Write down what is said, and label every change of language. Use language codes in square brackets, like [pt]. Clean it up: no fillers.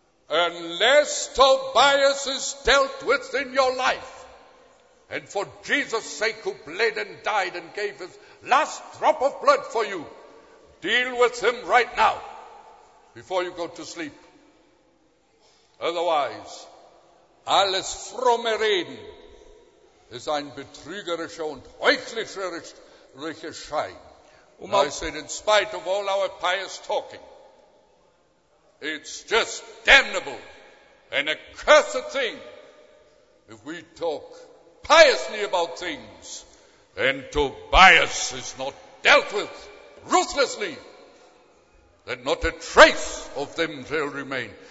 [en] Unless Tobias is dealt with in your life, and for Jesus' sake who bled and died and gave his last drop of blood for you, deal with him right now before you go to sleep. [de] Otherwise, alles fromme Reden ist ein betrügerischer und heuchlerischer Schein. [en] And I said, in spite of all our pious talking, it's just damnable and a cursed thing if we talk piously about things and Tobias is not dealt with ruthlessly, that not a trace of them shall remain.